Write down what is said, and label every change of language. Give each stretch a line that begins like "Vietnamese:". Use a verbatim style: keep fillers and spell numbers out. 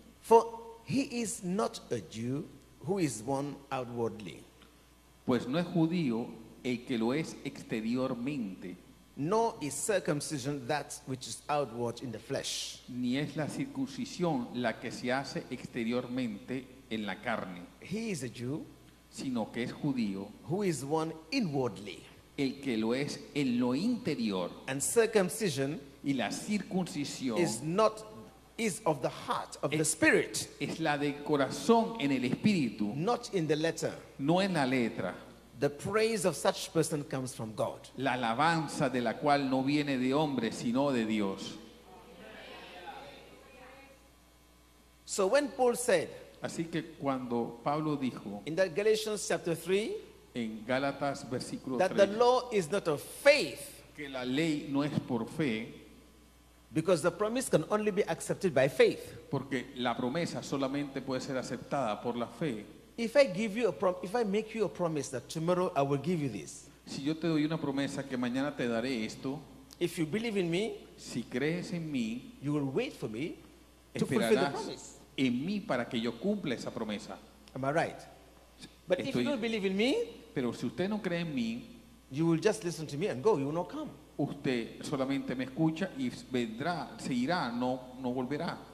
English: For he is not a Jew who is one outwardly,
Spanish: Pues no es judío el que lo es exteriormente,
English: nor is circumcision that which is outward in the flesh,
Spanish: ni es la circuncisión la que se hace exteriormente en la carne,
English: he is a Jew
Spanish: sino que es judío
English: who is one inwardly.
Spanish: el que lo es en lo interior.
English: And circumcision
Spanish: Y la circuncisión
English: is not is of the heart of the
Spanish: Es-
English: spirit,
Spanish: es la del corazón en el espíritu,
English: not in the letter.
Spanish: no en la letra.
English: The praise of such person comes from God.
Spanish: La alabanza de la cual no viene de hombre, sino de Dios.
English: So when Paul said
Spanish: Así que cuando Pablo dijo
English: in that Galatians chapter three
Spanish: en Gálatas versículo
English: that the
Spanish: tres
English: law is not of faith,
Spanish: que la ley no es por fe,
English: because the promise can only be accepted by faith.
Spanish: porque la promesa solamente puede ser aceptada por la fe.
English: If I give you a prom- if I make you a promise that tomorrow I will give you this,
Spanish: Si yo te doy una promesa que mañana te daré esto,
English: if you believe in me,
Spanish: si crees en mí,
English: you will wait for me to fulfill the promise.
Spanish: esperarás en mí para que yo cumpla esa promesa.
English: Am I right? But if you
Spanish: Estoy-
English: don't believe in me,
Spanish: Pero si usted no cree en mí,
English: you will just listen to me and go. You will not come.
Spanish: usted solamente me escucha y vendrá, se irá, no, no volverá.